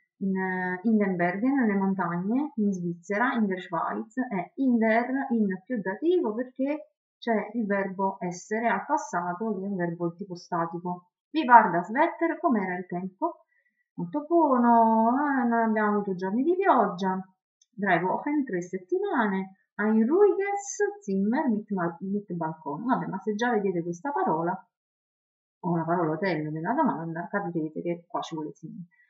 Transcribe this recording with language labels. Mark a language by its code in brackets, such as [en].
[de] In den Bergen, [it] nelle montagne, in Svizzera, [de] in der Schweiz, [it] è in der in più dativo perché c'è il verbo essere al passato, lì è un verbo tipo statico. [de] Wie war das Wetter? [it] Com'era il tempo? Molto buono, non abbiamo avuto giorni di pioggia. [de] 3 Wochen, [it] 3 settimane. [de] Ein ruhiges Zimmer mit Balkon. [it] Vabbè, ma se già vedete questa parola, o la parola hotel nella domanda, capirete che qua ci vuole Zimmer.